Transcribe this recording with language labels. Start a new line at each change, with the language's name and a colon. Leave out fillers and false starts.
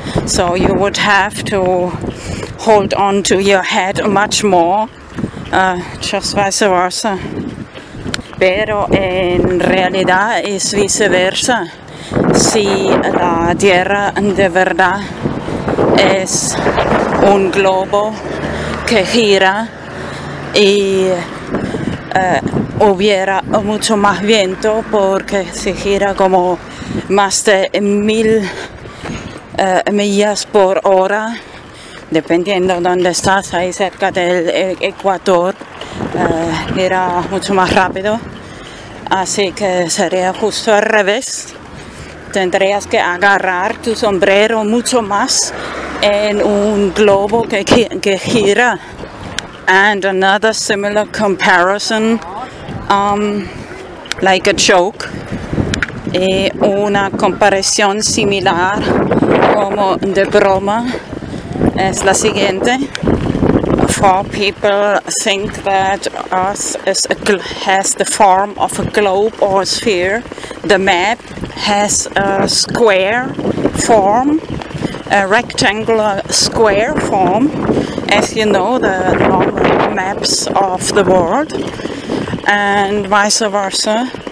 English: So you would have to hold on to your head much more, just vice versa.
Spanish: pero en realidad es viceversa. Si la Tierra de verdad es un globo que gira y hubiera mucho más viento, porque se gira como más de 1000 millas por hora, dependiendo dónde estás, ahí cerca del ecuador, era mucho más rápido. Así que sería justo al revés. Tendrías que agarrar tu sombrero mucho más en un globo que gira.
English: And another similar comparison, like a choke.
Spanish: Y una comparación similar, como de broma, es la siguiente.
English: Four people think that Earth is a has the form of a globe or a sphere. The map has a square form, a rectangular square form, as you know, the normal maps of the world, and vice versa.